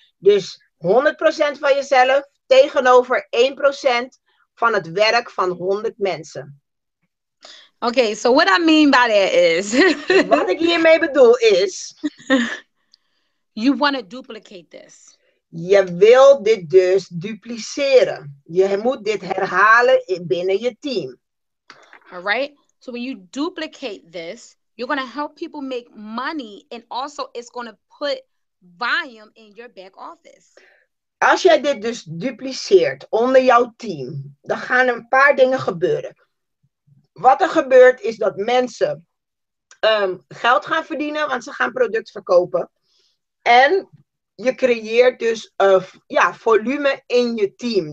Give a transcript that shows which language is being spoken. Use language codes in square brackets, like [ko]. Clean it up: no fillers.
[nl] Dus 100% van jezelf tegenover 1% van het werk van 100 mensen. [en] Okay, so what I mean by that is... [nl] Wat ik hiermee bedoel is... [en] You want to duplicate this. [nl] Je wil dit dus dupliceren. Je moet dit herhalen binnen je team. [en] All right. So when you duplicate this, you're going to help people make money. And also it's going to put volume in your back office. [nl] Als jij dit dus dupliceert onder jouw team, dan gaan een paar dingen gebeuren. Wat er gebeurt is dat mensen geld gaan verdienen, want ze gaan product verkopen. En je creëert dus volume in je team.